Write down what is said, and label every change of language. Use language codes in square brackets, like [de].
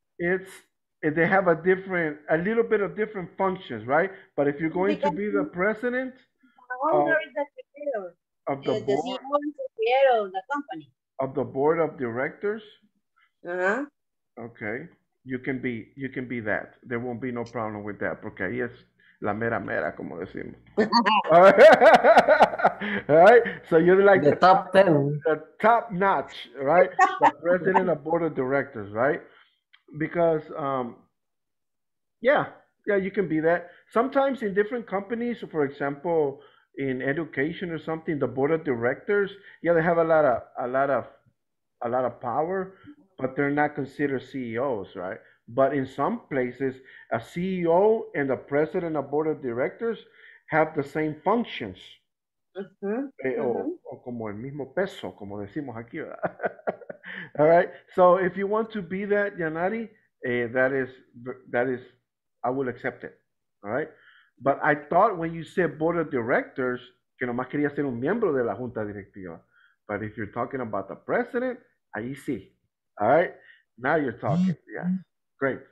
[en] they have a little bit of different functions, right? But if you're going to be the president, of the board of directors, okay. You can be that. There won't be no problem with that. [es] Porque ahí es la mera mera, como decimos. [en] All right. So you're like the top 10. The top notch, right? The president of board of directors, right? Because, you can be that. Sometimes in different companies, for example, in education or something, the board of directors, yeah, they have a lot of power, but they're not considered CEOs, right? But in some places, a CEO and the president of board of directors have the same functions. [es] O como el mismo peso, como decimos aquí, ¿verdad? [en] All right. So if you want to be that, Yanari, that is, I will accept it. All right. But I thought when you said board of directors, [es] que nomás quería ser un miembro de la junta directiva. [en] But if you're talking about the president, [es] ahí sí. [en] All right. Now you're talking. Mm-hmm. Yeah. Great.